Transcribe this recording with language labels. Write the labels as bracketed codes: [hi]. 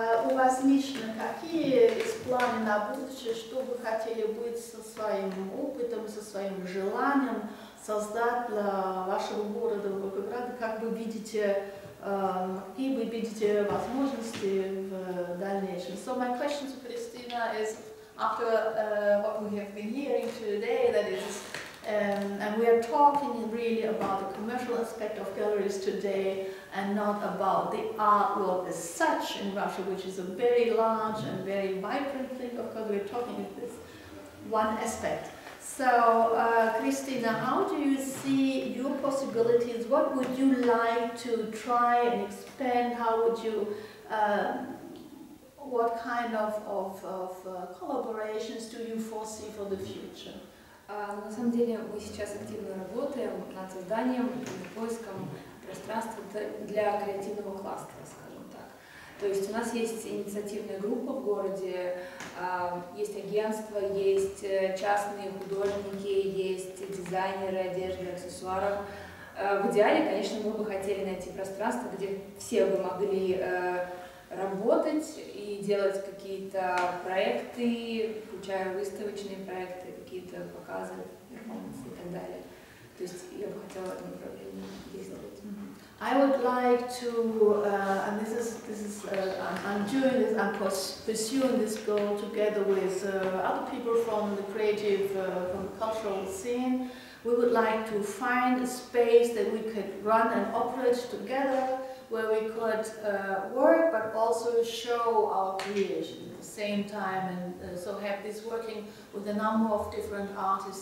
[ru] У вас лично какие планы на будущее, что вы хотели быть со своим опытом, со своим желанием создать для вашего города Волгограда, как вы видите? Какие вы видите возможности в дальнейшем? [en] So my question to Kristina is, after what we have been hearing today, that is, and we are talking really about the commercial aspect of galleries today, and not about the art world as such in Russia, which is a very large and very vibrant thing. Of course, we are talking about this one aspect. So, Kristina, how do you see your possibilities? What would you like to try and expand? How would you, what kind of collaborations do you foresee for the future? [ru] На самом деле, мы сейчас активно работаем над созданием и поиском пространства для креативного кластера, скажем так. То есть у нас есть инициативная группа в городе, есть агентство, есть частные художники, есть дизайнеры одежды, аксессуаров. В идеале, конечно, мы бы хотели найти пространство, где все бы могли работать и делать какие-то проекты, включая выставочные проекты, какие-то показы, перформансы и так далее. То есть я бы хотела в этом направлении действовать. [en] I would like to, and this is I'm doing this, I'm pursuing this goal together with other people from the creative, from the cultural scene. We would like to find a space that we could run and operate together, where we could work, but also show our creation at the same time, and so have this working with a number of different artists.